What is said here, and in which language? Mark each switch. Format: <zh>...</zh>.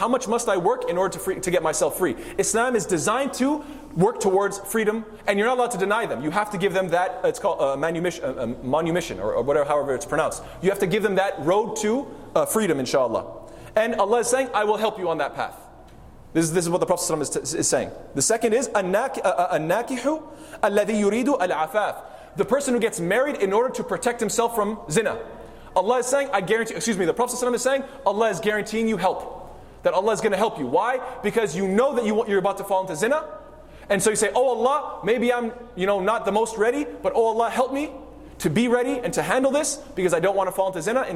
<en>How much must I work in order to get myself free? Islam is designed to work towards freedom, and you're not allowed to deny them. You have to give them that, it's called manumission, or whatever, however it's pronounced. You have to give them that road to freedom, inshallah. And Allah is saying, I will help you on that path. This is what the Prophet is saying. The second is,</en> <ar>النَّاكِحُ الَّذِي يُرِيدُ الْعَفَافِ.</ar> <en>The person who gets married in order to protect himself from zina. Allah is saying, the Prophet is saying, Allah is guaranteeing you help. That Allah is going to help you. Why? Because you know that you're about to fall into zina. And so you say, oh Allah, maybe I'm not the most ready, but oh Allah, help me to be ready and to handle this because I don't want to fall into zina.</en>